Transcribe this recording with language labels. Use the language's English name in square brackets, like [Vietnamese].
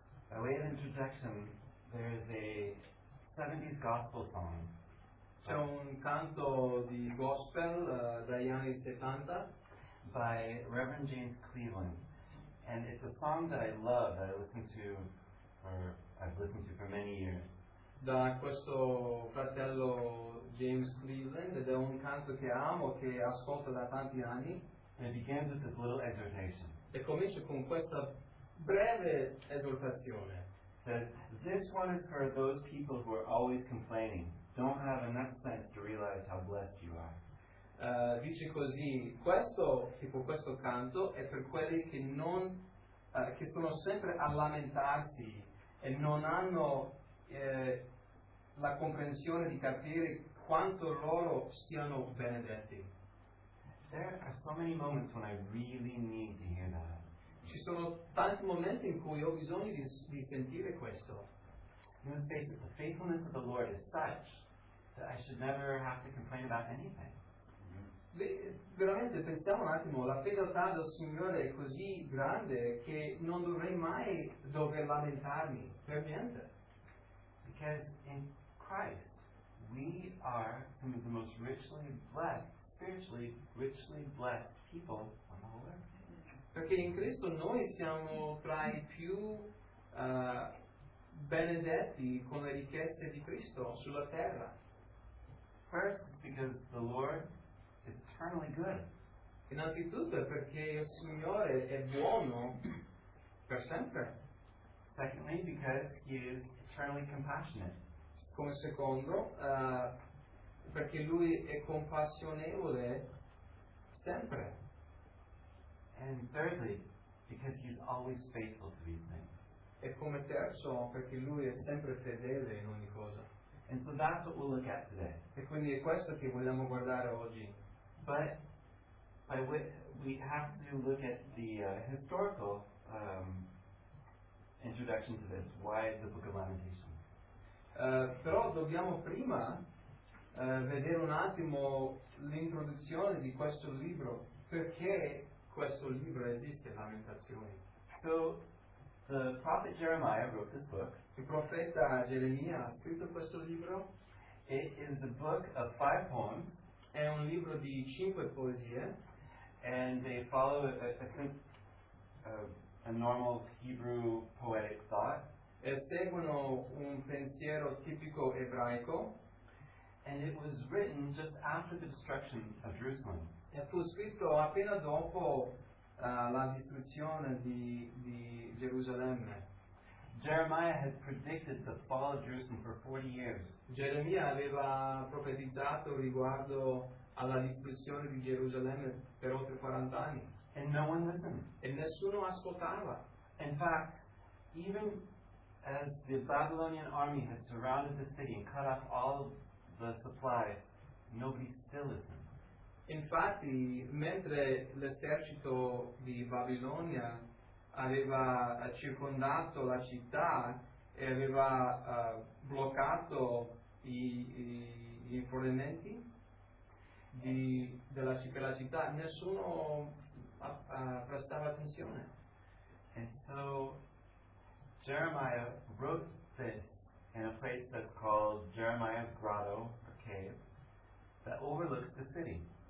[English] By way of introduction, there is a 70s gospel song. [Italian] C'è un canto di gospel dagli anni 70 [English] by Reverend James Cleveland. And it's a song that I love, that I listen to, or I've listened to for many years. [Italian] Da questo fratello James Cleveland, ed è un canto che amo, che ascolto da tanti anni. [English] And it begins with this little exhortation. [Italian] E comincia con questa breve esortazione. [English] It says, this one is for those people who are always complaining, don't have enough sense to realize how blessed you are. [Italian] Dice così, questo canto è per quelli che non che sono sempre a lamentarsi e non hanno la comprensione di capire quanto loro siano benedetti. [English] There are so many moments when I really need to hear that. [Italian] Ci sono tanti momenti in cui ho bisogno di sentire questo. [English] The faithfulness of the Lord is such that I should never have to complain about anything. [Italian] Veramente pensiamo un attimo, la fedeltà del Signore è così grande che non dovrei mai dover lamentarmi per niente. [English] Because in Christ we are some of the most richly blessed, spiritually richly blessed people on the whole earth. [Italian] Perché in Cristo noi siamo tra i più benedetti con le ricchezze di Cristo sulla terra. [English] First, it's because the Lord is eternally good. [Italian] Innanzitutto perché il Signore è buono per sempre. [English] Secondly, because He is eternally compassionate. [Italian] Come secondo, perché Lui è compassionevole sempre. [English] And thirdly, because He's always faithful to these things. [Italian] E come terzo, perché Lui è sempre fedele in ogni cosa. [English] And so that's what we'll look at today. [Italian] E quindi è questo che vogliamo guardare oggi. [English] But we have to look at the historical introduction to this. Why the Book of Lamentations? [Italian] Però dobbiamo prima vedere un attimo l'introduzione di questo libro. Perché questo libro esiste, Lamentazioni? [English] So, the prophet Jeremiah wrote this book. [Italian] Il profeta Geremia ha scritto questo libro. [English] It is the book of five poems. [Italian] È un libro di cinque poesie. [English] And they follow a normal Hebrew poetic thought. [Italian] E seguono un pensiero tipico ebraico. [English] And it was written just after the destruction of Jerusalem. [Italian] E fu scritto appena dopo la distruzione di Gerusalemme. [English] Jeremiah had predicted the fall of Jerusalem for 40 years. [Italian] Geremia aveva profetizzato riguardo alla distruzione di Gerusalemme per oltre 40 anni. [English] And no one listened. [Italian] E nessuno ascoltava. [English] In fact, even as the Babylonian army had surrounded the city and cut off all of the supplies, nobody still listened. [Italian] Infatti, mentre l'esercito di Babilonia aveva circondato la città e aveva bloccato i fornimenti della città, nessuno prestava attenzione. [English] And so Jeremiah wrote this in a place that's called Jeremiah's Grotto, a cave, that overlooks the city.